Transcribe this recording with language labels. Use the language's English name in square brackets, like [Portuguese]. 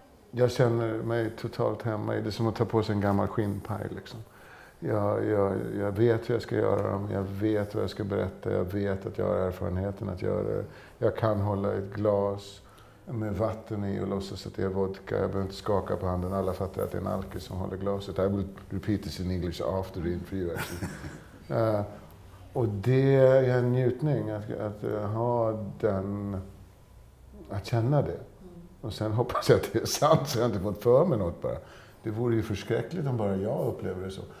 [Swedish] Jag känner mig totalt hemma i. Det är som att ta på sig en gammal skinnpaj liksom. Jag vet hur jag ska göra dem, jag vet vad jag ska berätta, jag vet att jag har erfarenheten att göra det. Jag kan hålla ett glas med vatten i och låtsas att det är vodka. Jag behöver inte skaka på handen, alla fattar att det är en alkis som håller glaset. [English] I will repeat this in English after the interview actually. [Swedish] Och det är en njutning att ha den, att känna det. Och sen hoppas jag att det är sant så jag inte fått för mig något bara. Det vore ju förskräckligt om bara jag upplever det så.